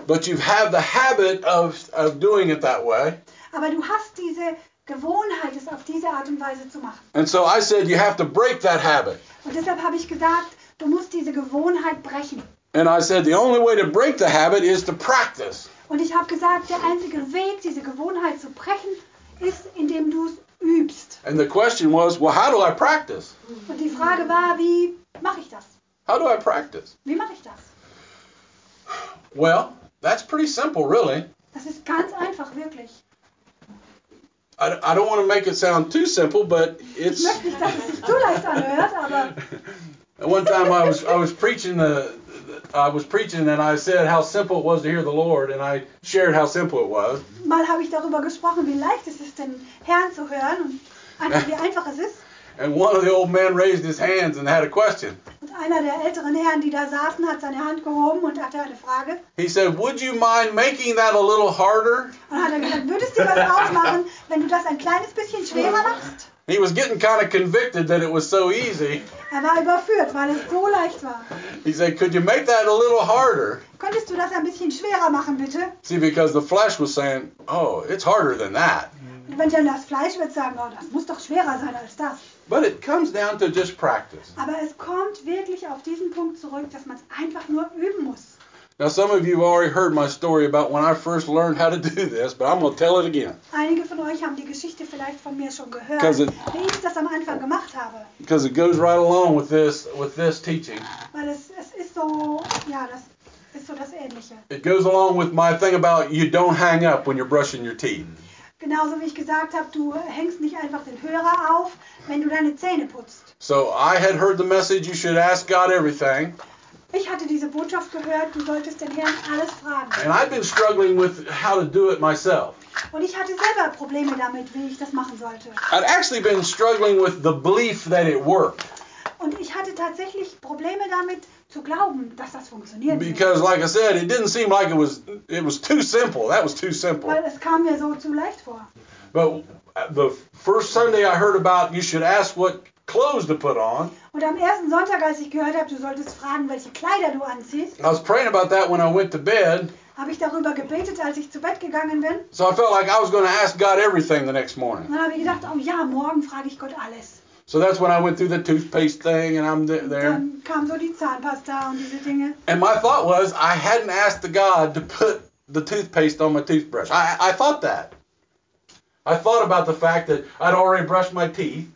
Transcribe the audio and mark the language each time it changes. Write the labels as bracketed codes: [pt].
[en] But you have the habit of doing it that way. [de] Aber du hast diese Gewohnheit, es auf diese Art und Weise zu machen. [en] And so I said, you have to break that habit. [de] Und deshalb habe ich gesagt, du musst diese Gewohnheit brechen. [en] And I said, the only way to break the habit is to practice. [de] Und ich habe gesagt, der einzige Weg, diese Gewohnheit zu brechen, ist, indem du es übst. [en] And the question was, well, how do I practice? [de] Und die Frage war, wie mache ich das? [en] How do I practice? [de] Wie mache ich das? [en] Well, that's pretty simple, really. [de] Das ist ganz einfach, wirklich. [en] I don't want to make it sound too simple, but it's... [de] Ich möchte nicht, dass es sich zu leicht anhört, aber... [en] One time I was preaching and I said how simple it was to hear the Lord, and I shared how simple it was. [de] Mal habe ich darüber gesprochen, wie leicht es ist, den Herrn zu hören, und einfach wie einfach es ist. [en] And one of the old men raised his hands and had a question. [de] Und einer der älteren Herren, die da saßen, hat seine Hand gehoben und hatte eine Frage. [en] He said, "Would you mind making that a little harder?" [de] Und hat er gesagt, würdest du das ausmachen, wenn du das ein kleines bisschen schwerer machst? [en] He was getting kind of convicted that it was so easy. [de] Er war überführt, weil es so leicht war. [en] He said, "Could you make that a little harder?" [de] Könntest du das ein bisschen schwerer machen, bitte? [en] See, because the flesh was saying, "Oh, it's harder than that." [de] Wenn dann das Fleisch wird sagen, oh, das muss doch schwerer sein als das. [en] But it comes down to just practice. [de] Aber es kommt wirklich auf diesen Punkt zurück, dass man es einfach nur üben muss. [en] Now some of you have already heard my story about when I first learned how to do this, but I'm going to tell it again. [de] Einige von euch haben die Geschichte vielleicht von mir schon gehört, wie ich das am Anfang gemacht habe. [en] Because it goes right along with this teaching. [de] Weil es ist so, ja, das ist so das Ähnliche. [en] It goes along with my thing about you don't hang up when you're brushing your teeth. [de] Genauso wie ich gesagt habe, du hängst nicht einfach den Hörer auf, wenn du deine Zähne putzt. [en] So I had heard the message, you should ask God everything. [de] Ich hatte diese Botschaft gehört, du solltest den Herrn alles fragen. [en] And I've been struggling with how to do it myself. [de] Und ich hatte selber Probleme damit, wie ich das machen sollte. [en] I'd actually been struggling with the belief that it worked. [de] Und ich hatte tatsächlich Probleme damit zu glauben, dass das funktioniert. [en] Because like I said, it didn't seem like it was too simple. That was too simple. [de] Weil es kam mir so zu leicht vor. [en] But the first Sunday I heard about you should ask what clothes to put on. [de] Und am ersten Sonntag, als ich gehört habe, du solltest fragen, welche Kleider du anziehst. [en] I was praying about that when I went to bed. [de] Habe ich darüber gebetet, als ich zu Bett gegangen bin. [en] So I felt like I was going to ask God everything the next morning. [de] Dann habe ich gedacht, oh ja, morgen frage ich Gott alles. [en] So that's when I went through the toothpaste thing and I'm there. [de] Dann kam so die Zahnpasta und diese Dinge. [en] And my thought was, I hadn't asked the God to put the toothpaste on my toothbrush. I thought that. I thought about the fact that I'd already brushed my teeth.